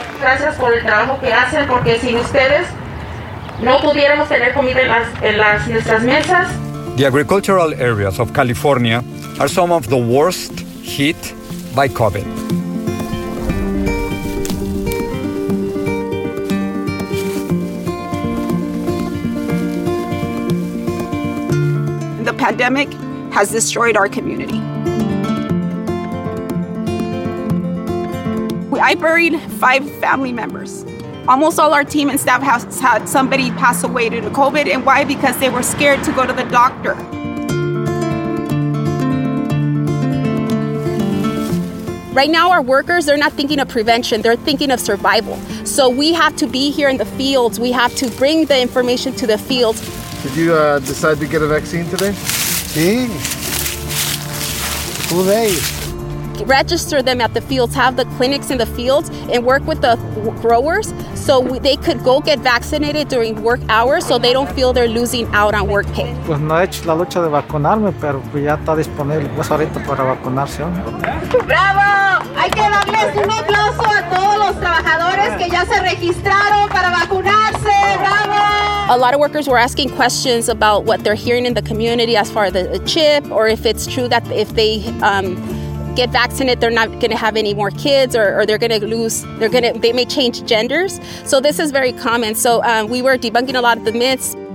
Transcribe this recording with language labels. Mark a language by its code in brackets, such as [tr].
[es] Gracias por el trabajo que hacen, porque sin ustedes no pudiéramos tener comida en nuestras mesas. [en] The agricultural areas of California are some of the worst hit by COVID. The pandemic has destroyed our community. I buried 5 family members. Almost all our team and staff has had somebody pass away due to COVID. And why? Because they were scared to go to the doctor. Right now, our workers, they're not thinking of prevention, they're thinking of survival. So we have to be here in the fields. We have to bring the information to the fields. Did you decide to get a vaccine today? Sí. Who are they? Register them at the fields, have the clinics in the fields, and work with the growers so they could go get vaccinated during work hours so they don't feel they're losing out on work pay. [es] Pues no he hecho la lucha de vacunarme, pero ya está disponible pues ahorita para vacunarse. ¡Bravo! Hay que darles un aplauso a todos los trabajadores que ya se registraron para vacunarse. ¡Bravo! [en] A lot of workers were asking questions about what they're hearing in the community as far as the chip, or if it's true that if they get vaccinated, they're not going to have any more kids, or they may change genders. So this is very common. So we were debunking a lot of the myths.